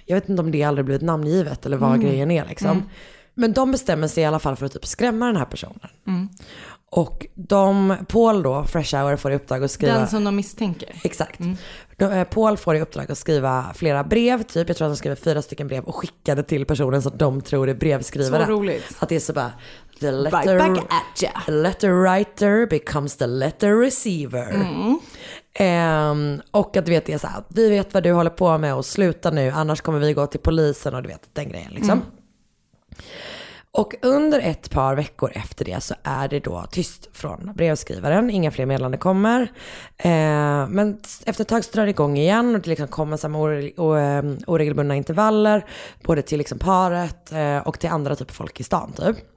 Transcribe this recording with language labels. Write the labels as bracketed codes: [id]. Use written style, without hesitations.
[sv] Jag vet inte om det aldrig blivit namngivet eller vad grejen är liksom. Mm. Men de bestämmer sig i alla fall för att typ skrämma den här personen. Mm. Och de, Paul då, Fresh Hour, får i uppdrag att skriva... Den som de misstänker. Exakt. Mm. Paul får i uppdrag att skriva flera brev, typ. Jag tror att de skriver 4 stycken brev och skickar det till personen så att de tror det är brevskrivare. Så roligt. Att det är så bara... [en] The letter, right back at ya. The letter writer becomes the letter receiver. Mm. [sv] Och att du vet, det är så här, vi vet vad du håller på med och sluta nu, annars kommer vi gå till polisen och du vet, den grejen liksom. Mm. Och under ett par veckor efter det så är det då tyst från brevskrivaren. Inga fler meddelande kommer. Men efter ett tag så drar det igång igen och det liksom kommer samma oregelbundna intervaller både till liksom paret och till andra typ folk i stan typ.